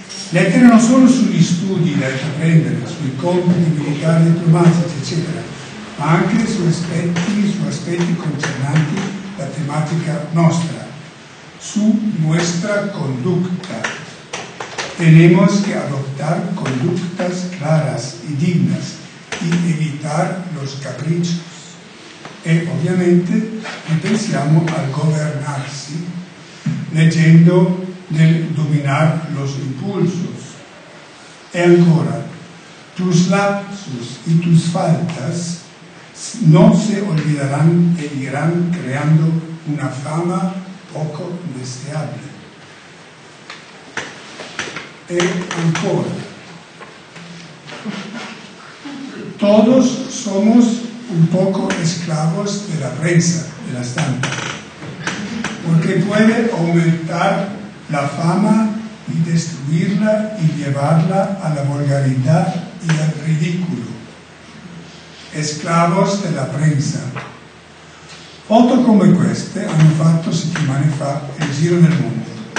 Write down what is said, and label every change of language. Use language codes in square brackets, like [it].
[it] Lettere non solo sugli studi da intraprendere, sui compiti militari, diplomatici, eccetera, ma anche su aspetti concernenti la tematica nostra, [es] su nuestra conducta. Tenemos que adoptar conductas claras y dignas y evitar los caprichos. [it] E ovviamente pensiamo al governarsi, leggendo nel [es] dominar los impulsos. [it] E ancora, [es] tus lapsus y tus faltas no se olvidarán e irán creando una fama poco deseable. [it] E ancora, [es] todos somos un poco esclavos de la prensa, de la stampa, porque puede aumentar la fama y destruirla y llevarla a la vulgaridad y al ridículo. Esclavos de la prensa. [it] Foto come queste hanno fatto settimane fa il giro del mondo.